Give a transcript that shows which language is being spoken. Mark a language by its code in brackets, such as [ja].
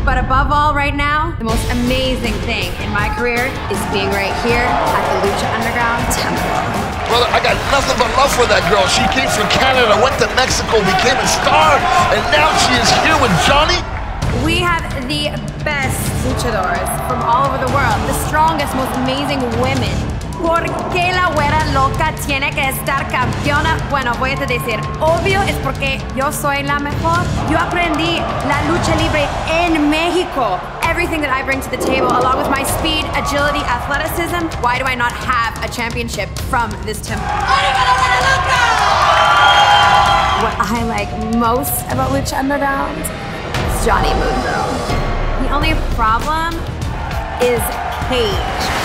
[en] But above all right now, the most amazing thing in my career is being right here at the Lucha Underground Temple. Brother, I got nothing but love for that girl. She came from Canada, went to Mexico, became a star, and now she is here with Johnny. We have the best luchadores from all over the world, the strongest, most amazing women. [es] ¿Por qué la güera loca tiene que estar campeona? Bueno, voy a decir, obvio es porque yo soy la mejor. Yo aprendí la lucha libre en México. [en] Everything that I bring to the table, along with my speed, agility, athleticism, why do I not have a championship from this temple? What I like most about Lucha Underground is Johnny Mundo. The only problem is Cage.